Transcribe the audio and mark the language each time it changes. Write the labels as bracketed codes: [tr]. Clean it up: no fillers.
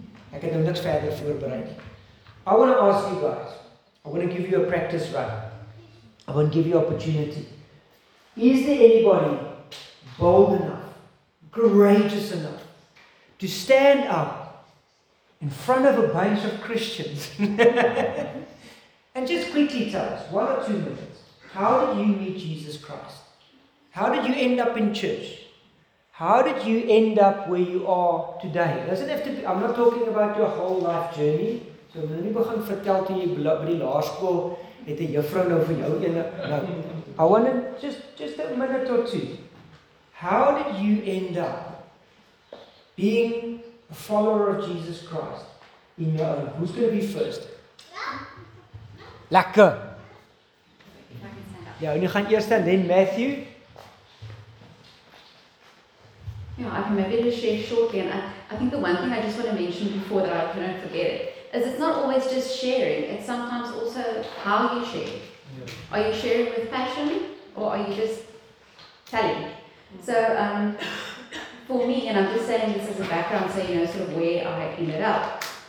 [af] Ek het nou niks verder voorberei nie. [en] I want to ask you guys. I want to give you a practice run. I want to give you opportunity. Is there anybody bold enough, courageous enough to stand up in front of a bunch of Christians and just quickly tell us 1 or 2 minutes? How did you meet Jesus Christ? How did you end up in church? How did you end up where you are today? Doesn't have to be, I'm not talking about your whole life journey. [af] So nou nie begin vertel toe jy by die laerskool het 'n juffrou nou vir jou ene. [en] Nou, I want to just a minute or two. How did you end up being a follower of Jesus Christ in your own? Who's going to be first? [af] Lekker. Ja, en nu gaan eerst aan Len Matthew. [en] Ja, I can maybe just share shortly. And I think the one thing I just want to mention before that I couldn't forget it, is it's not always just sharing. It's sometimes also how you share. Yeah. Are you sharing with passion or are you just telling? So for me, and I'm just saying this as a background so you know sort of where I ended up.